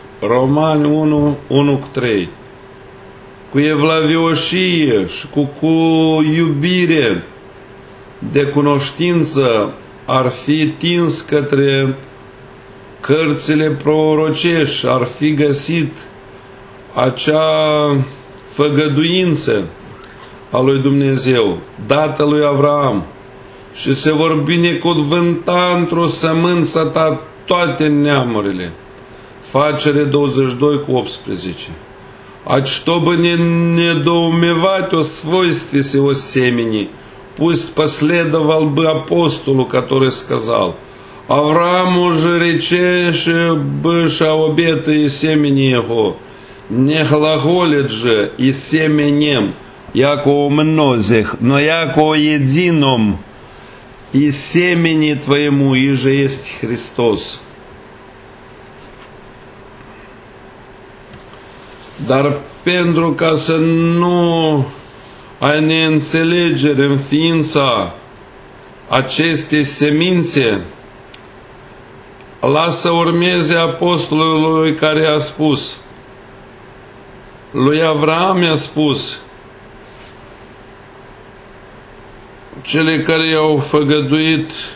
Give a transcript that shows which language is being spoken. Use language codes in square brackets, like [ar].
[ro] Romani 1:1-3. Cu evlavioșie și cu iubire de cunoștință ar fi tins către cărțile prorocești, ar fi găsit acea făgăduință a lui Dumnezeu, dată lui Avraam, și se vor binecuvânta într-o sămânță ta toate neamurile. Facere 22:18. [ru] А чтобы не недоумевать о свойстве сего семени, пусть последовал бы апостолу, который сказал: [cu] Аврааму же речеше быша обеты и семени его, не глаголит же и семенем, яко о мнозих, но яко о едином, и семени твоему, и же есть Христос. [ro] Dar pentru ca să nu ai neînțelegere în ființa acestei semințe, lasă urmeze apostolului care a spus, lui Avraam i-a spus, cele care i-au făgăduit